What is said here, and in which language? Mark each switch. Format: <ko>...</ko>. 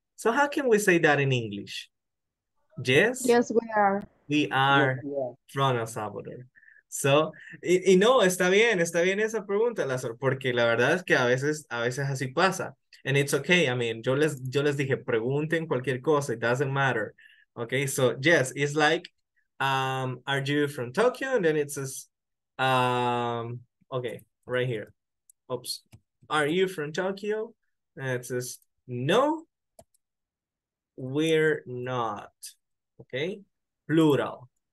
<en>So how can we say that in English? Yes? Yes, we are. We are from El Salvador.</en> <es>So, y no, está bien esa pregunta, Lázaro, porque la verdad es que a veces así pasa.</es> <en>And it's okay, I mean,</en> <es>yo les dije, pregunten cualquier cosa,</es> <en>it doesn't matter. Okay, so yes, it's like, are you from Tokyo? And then it says, okay, right here. Oops. Are you from Tokyo? And it says, no, we're not. Okay? Plural.</en>